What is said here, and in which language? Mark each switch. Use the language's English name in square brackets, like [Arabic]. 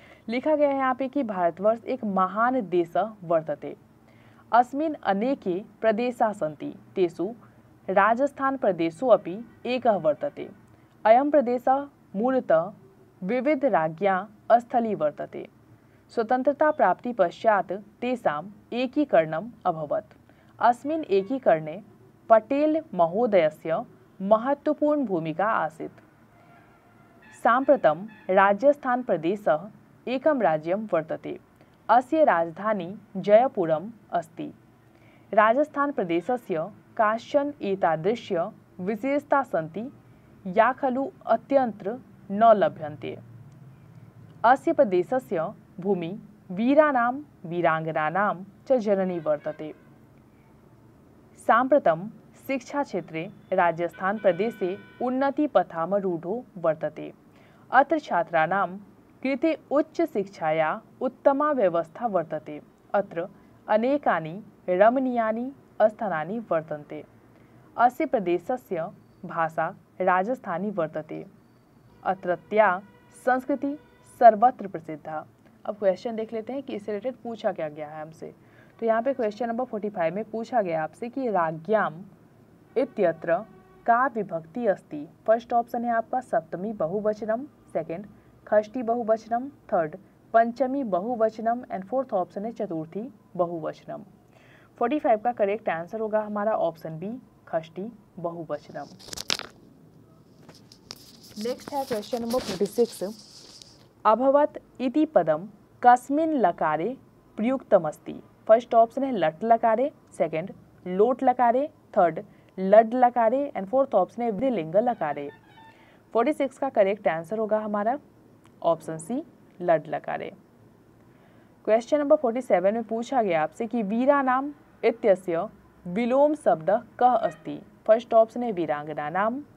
[Hindi] लिखा गया है यहाँ पे कि [Sanskrit] भारतवर्ष एक महान देश वर्तते। अस्मिन अनेके प्रदेशा सन्ति, तेसु राजस्थान प्रदेशु अपि एकः वर्तते। अयम प्रदेश मूलतः विविध राज्ञा स्थली वर्तते। स्वतंत्रता प्राप्ति पश्चात तेषां एकीकरणम् अभवत्। अस्मिन् एकीकरणे पटेल महोदयस्य महत्वपूर्ण भूमिका आसीत्। साम्प्रतं राजस्थान प्रदेशः एकं राज्यं वर्तते। अस्य राजधानी जयपुरम् अस्ति। राजस्थान प्रदेशस्य काश्चन एतादृश्य विशेषता सन्ति या खलु अत्यंत्र न लभ्यन्ते। अस्य प्रदेशस्य भूमि वीराणां वीरांगनानां च जननी वर्तते। साम्प्रतं शिक्षा क्षेत्रे राजस्थान प्रदेशे उन्नति पथाम रूढो वर्तते। अत्र छात्राणां कृते उच्च शिक्षाया उत्तमा व्यवस्था वर्तते। अत्र अनेकानि रमणीयानि स्थानानि वर्तन्ते। अस्य प्रदेशस्य भाषा राजस्थानी वर्तते। अत्रत्या संस्कृति सर्वत्र प्रसिद्धा। [Hindi] अब क्वेश्चन देख लेते हैं कि इससे रिलेटेड पूछा क्या गया है हमसे। तो यहाँ पे क्वेश्चन नंबर 45 में पूछा गया आपसे कि [Sanskrit] राज्ञाम इत्यत्र का विभक्ति अस्ति। [Hindi] फर्स्ट ऑप्शन है आपका सप्तमी बहुवचनम, second Khashti बहुवचनम, third Panchami बहुवचनम and fourth option है चतुर्थी बहुवचनम। 45 का [English] correct answer [Hindi] होगा हमारा ऑप्शन बी, खष्टी बहुवचनम। [English] Next है question number 46। [Sanskrit] अभवत इति पदम कस्मिन लकारे प्रयुक्तमस्ति। [English] first option [Hindi] है लट लकारे, सेकंड लोट लकारे, थर्ड लड लकारे एंड फोर्थ ऑप्शन है विधिलिंग लकारे। 46 का [English] correct answer [Hindi] होगा हमारा ऑप्शन सी, लड लकारे। क्वेश्चन नंबर 47 में पूछा गया आपसे कि [Sanskrit] वीरानाम इत्यस्य विलोम शब्द कह अस्ति। [Hindi] फर्स्ट ऑप्शन है वीरांगना नाम,